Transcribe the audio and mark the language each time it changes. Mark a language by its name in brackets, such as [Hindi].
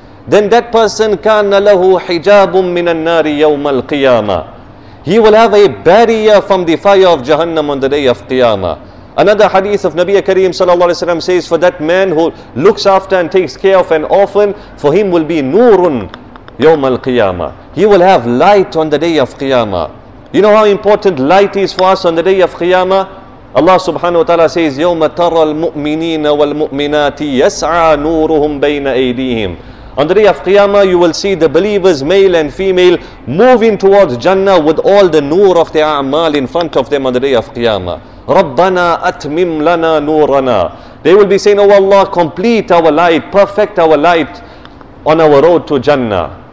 [English] Then that person, [Arabic] كَانَ لَهُ حِجَابٌ مِّنَ النَّارِ يَوْمَ الْقِيَامَةِ, [English] he will have a barrier from the fire of Jahannam on the day of Qiyamah. Another hadith of Nabiya Kareem sallallahu alayhi wa sallam says, for that man who looks after and takes care of an orphan, for him will be [Arabic] نُورٌ يَوْمَ الْقِيَامَةِ, [English] he will have light on the day of Qiyamah. You know how important light is for us on the day of Qiyamah? Allah subhanahu wa ta'ala says, [Arabic] يَوْمَ تَرَى الْمُؤْمِنِينَ وَالْمُؤْمِنَاتِ يَسْعَى نُورُهُمْ بَيْنَ أَيْدِيهِمْ. [English] On the day of Qiyamah, you will see the believers, male and female, moving towards Jannah with all the nur of the a'mal in front of them on the day of Qiyamah. [Arabic] رَبَّنَا أَتْمِمْ لَنَا نُورَنَا. [English] They will be saying, oh Allah, complete our light, perfect our light on our road to Jannah.